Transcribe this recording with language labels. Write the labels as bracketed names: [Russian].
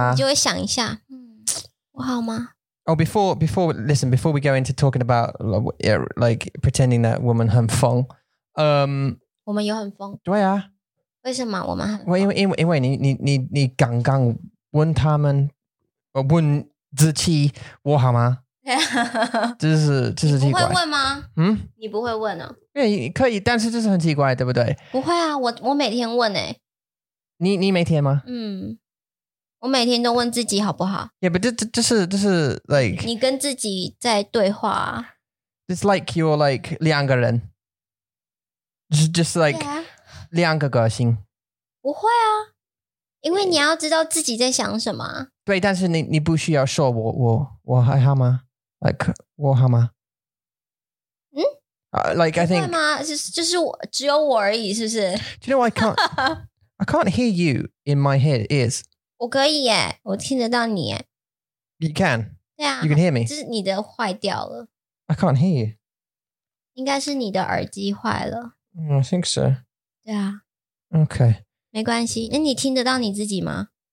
[Chinese] 然后你就会想一下，我好吗？ [English] Oh, before we go into talking about like pretending that woman [Chinese] 很疯，我们有很疯。对啊。为什么我们很疯？因为你刚刚问他们，问子期我好吗？对啊，这是奇怪。你不会问吗？你不会问哦。对，可以，但是这是很奇怪，对不对？不会啊，我每天问哎。你每天吗？我每天都问自己好不好。 [English] Yeah, but this is like... [Chinese] 你跟自己在对话啊。 [English] It's like you're like [Chinese] 两个人。 [English] Just like、 yeah. [Chinese] 两个个性。不会啊。因为你要知道自己在想什么。对，但是 你不需要说我还好吗 ?Like, 我好吗 [English] like, I think... [Chinese] 不会吗？就是我只有我而已，是不是？ [English] Do you know why I can't... I can't hear you in my head, ears. [Chinese] 我可以耶，我听得到你耶。 [English] You can? [Chinese] 对啊。 [English] You can hear me? [Chinese] 这是你的坏掉了。 [English] I can't hear you. [Chinese] 应该是你的耳机坏了。 [English] I think so. [Chinese] 对啊。 [English] Okay. [Chinese] 没关系，那你听得到你自己吗？